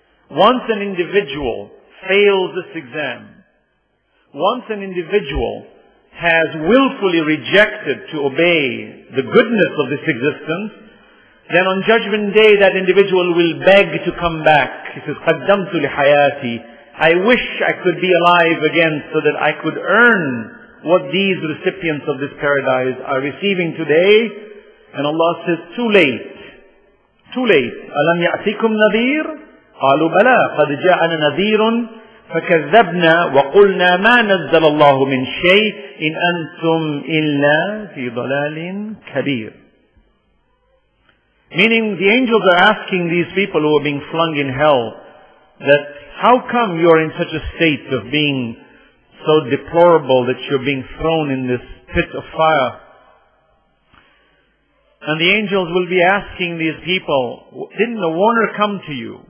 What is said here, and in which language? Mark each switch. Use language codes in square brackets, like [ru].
[en] Once an individual fails this exam, once an individual has willfully rejected to obey the goodness of this existence, then on Judgment Day that individual will beg to come back. He says, [ar] قَدَّمْتُ لِحَيَاتِي. [en] I wish I could be alive again so that I could earn what these recipients of this paradise are receiving today. And Allah says, too late. Too late. [ar] أَلَمْ يَعْتِكُمْ نَذِيرٌ قالوا بلى قد جاءنا نذير فكذبنا وقلنا ما نزل الله من شيء إن أنتم إلا في ضلال كبير. [en] Meaning the angels are asking these people who are being flung in hell that how come you are in such a state of being so deplorable that you're being thrown in this pit of fire. And the angels will be asking these people, didn't a warner come to you?